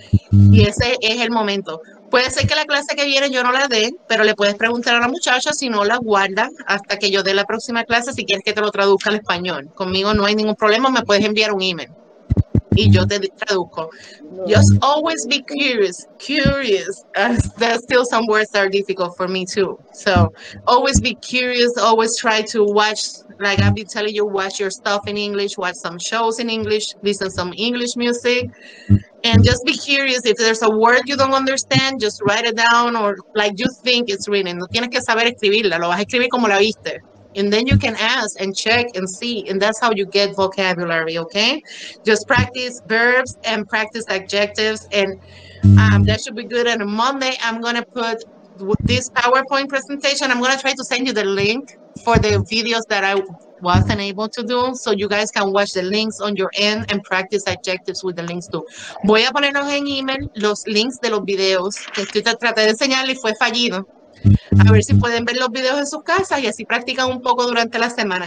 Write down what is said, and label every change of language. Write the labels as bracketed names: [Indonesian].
[Spanish] Y ese es el momento. Puede ser que la clase que viene yo no la dé, pero le puedes preguntar a la muchacha si no la guarda hasta que yo dé la próxima clase si quieres que te lo traduzca al español. Conmigo no hay ningún problema, me puedes enviar un email y yo te traduzco. [English] Just always be curious, curious. There's still some words that are difficult for me too. So always be curious, always try to watch, like I've been telling you, watch your stuff in English, watch some shows in English, listen to some English music. And just be curious. If there's a word you don't understand, just write it down or like you think it's written. [Spanish] No tienes que saber escribirla. Lo vas a escribir como la viste. [English] And then you can ask and check and see. And that's how you get vocabulary, okay? Just practice verbs and practice adjectives. And that should be good. And on Monday, I'm going to put this PowerPoint presentation. I'm going to try to send you the link for the videos that I wasn't able to do, so you guys can watch the links on your end and practice adjectives with the links too. [Spanish] Voy a ponernos en email los links de los videos que estoy tratando de enseñarle y fue fallido. A ver si pueden ver los videos en sus casas y así practican un poco durante la semana.